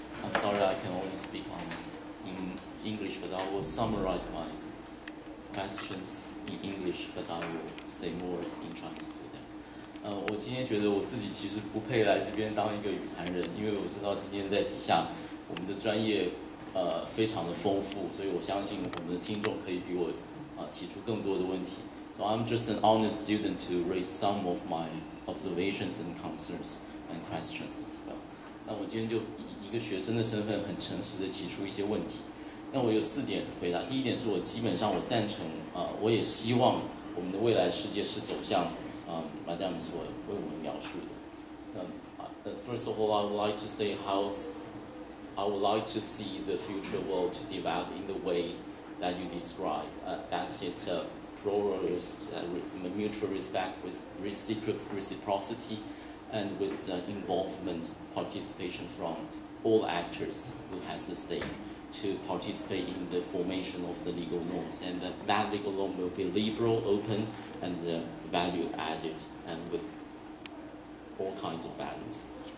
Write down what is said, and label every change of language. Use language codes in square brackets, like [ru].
[en] I'm sorry I can only speak in English, but I will summarize my questions in English, but I will say more in Chinese to them. [zh] 我今天觉得我自己其实不配来这边当一个语坛人，因为我知道今天在底下我们的专业非常的丰富，所以我相信我们的听众可以比我提出更多的问题。 [en] So I'm just an honest student to raise some of my observations and concerns and questions as well. [zh] 那我今天就以一个学生的身份很诚实地提出一些问题。那我有四点回答。第一点是我基本上我赞成我也希望我们的未来世界是走向Madame 所为我们描述的。 [en] First of all, I would like to say I would like to see the future world to develop in the way that you describe. That is a pluralist, mutual respect with reciprocity and with involvement, participation from all actors who has the stake to participate in the formation of the legal norms, and that legal norm will be liberal, open, and value added, and with all kinds of values.